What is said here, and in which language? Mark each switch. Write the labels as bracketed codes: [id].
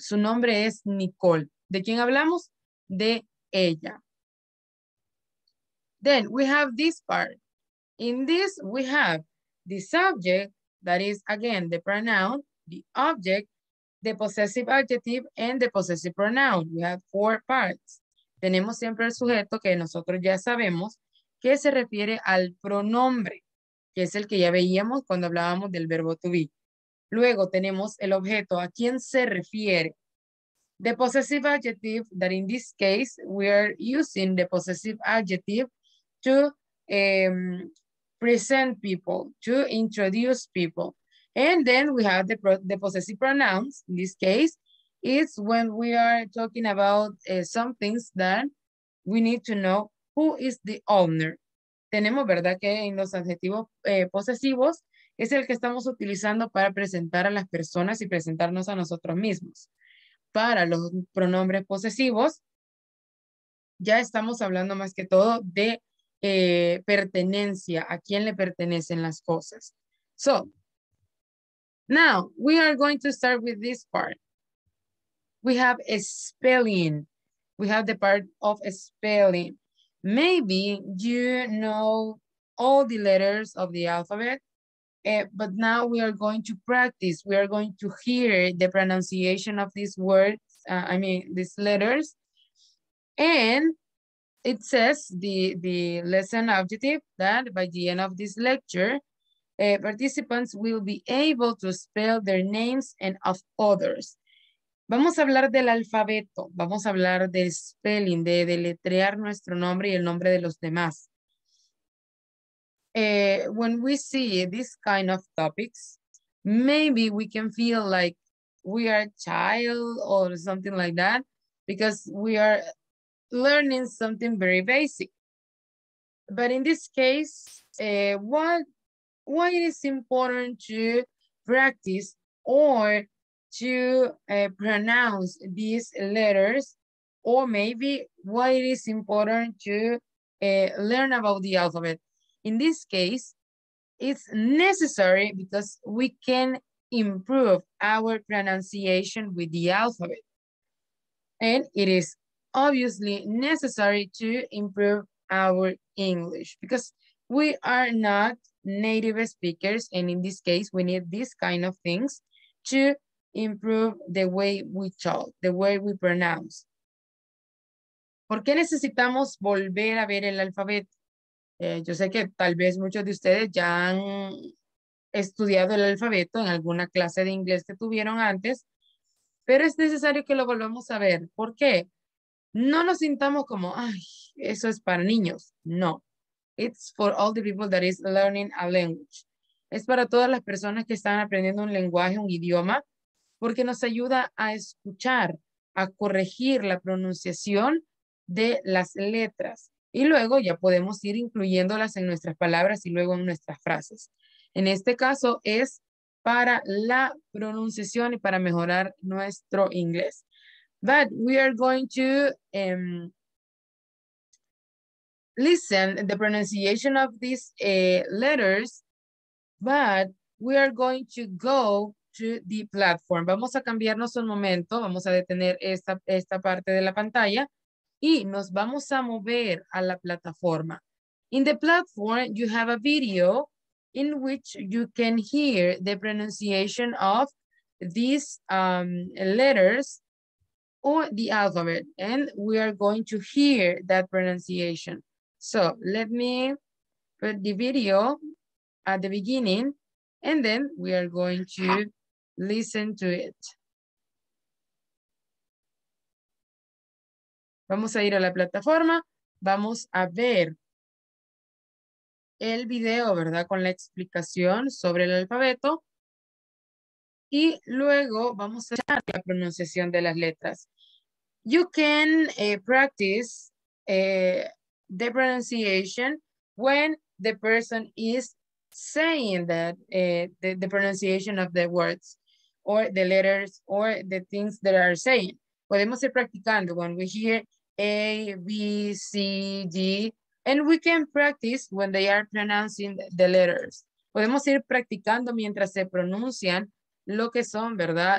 [es] Su nombre es Nicole. ¿De quién hablamos? De ella. [en] Then we have this part. In this, we have the subject, that is, again, the pronoun, the object, the possessive adjective, and the possessive pronoun. We have four parts. [es] Tenemos siempre el sujeto que nosotros ya sabemos que se refiere al pronombre, que es el que ya veíamos cuando hablábamos del verbo to be. Luego tenemos el objeto, ¿a quién se refiere? [en] The possessive adjective, that in this case, we are using the possessive adjective to present people, to introduce people. And then we have the possessive pronouns. In this case, it's when we are talking about some things that we need to know who is the owner. [es] Tenemos, ¿verdad?, que en los adjetivos posesivos es el que estamos utilizando para presentar a las personas y presentarnos a nosotros mismos. Para los pronombres posesivos, ya estamos hablando más que todo de pertenencia, a quién le pertenecen las cosas. [en] So, now we are going to start with this part. We have a spelling. We have the part of spelling. Maybe you know all the letters of the alphabet, but now we are going to practice. We are going to hear the pronunciation of these words, these letters. And it says the lesson objective that by the end of this lecture, participants will be able to spell their names and of others. [es] Vamos a hablar del alfabeto. Vamos a hablar del spelling, de deletrear nuestro nombre y el nombre de los demás. [en] When we see this kind of topics, maybe we can feel like we are a child or something like that because we are learning something very basic. But in this case, why it is important to practice or to pronounce these letters, or maybe why it is important to learn about the alphabet. In this case, it's necessary because we can improve our pronunciation with the alphabet. And it is obviously necessary to improve our English because we are not native speakers, and in this case, we need these kind of things to improve the way we talk, the way we pronounce. [es] ¿Por qué necesitamos volver a ver el alfabeto? Yo sé que tal vez muchos de ustedes ya han estudiado el alfabeto en alguna clase de inglés que tuvieron antes, pero es necesario que lo volvamos a ver. ¿Por qué? No nos sintamos como, ay, eso es para niños. No. [en] It's for all the people that is learning a language. [es] Es para todas las personas que están aprendiendo un lenguaje, un idioma, porque nos ayuda a escuchar, a corregir la pronunciación de las letras. Y luego ya podemos ir incluyéndolas en nuestras palabras y luego en nuestras frases. En este caso es para la pronunciación y para mejorar nuestro inglés. [en] But we are going to listen the pronunciation of these letters, but we are going to go to the platform. [es] Vamos a cambiarnos un momento, vamos a detener esta parte de la pantalla y nos vamos a mover a la plataforma. [en] In the platform, you have a video in which you can hear the pronunciation of these letters or the alphabet, and we are going to hear that pronunciation. So let me put the video at the beginning and then we are going to listen to it. [es] Vamos a ir a la plataforma, vamos a ver el video, ¿verdad?, con la explicación sobre el alfabeto. y luego vamos a hacer la pronunciación de las letras. [en] You can practice the pronunciation when the person is saying that the pronunciation of the words or the letters or the things that are saying. [es] Podemos ir practicando [en] when we hear A, B, C, D, and we can practice when they are pronouncing the letters. [es] Podemos ir practicando mientras se pronuncian lo que son, ¿verdad?